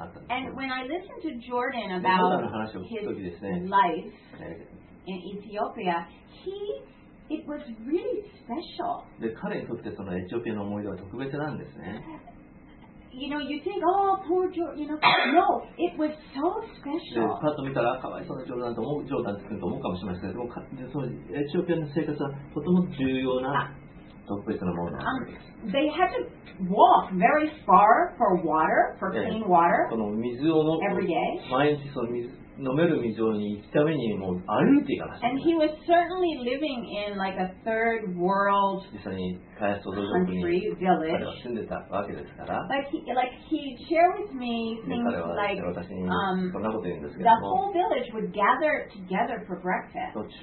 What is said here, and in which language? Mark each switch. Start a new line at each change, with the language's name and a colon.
English: And when I listened to Jordan about his life in Ethiopia, it was really special.
Japanese: で、彼にとってそのエチオピアの思い出は特別なんですね。
English: You know, you think, oh, poor Jordan, you know, no, it was so special.
Japanese: で、パッと見たら、かわいそうなジョーダンと思う、ジョーダンって君と思うかもしれませんけど、そのエチオピアの生活はとても重要な、特別なものなんです。
English: They had to walk very far for water, for clean water.
Japanese: この水を
English: every day.
Japanese: 毎日その水飲める水場に行くためにもう歩いていかなくちゃ。
English: And he was certainly living in like a third world country village. But he shared with me things like the whole village would gather together for breakfast.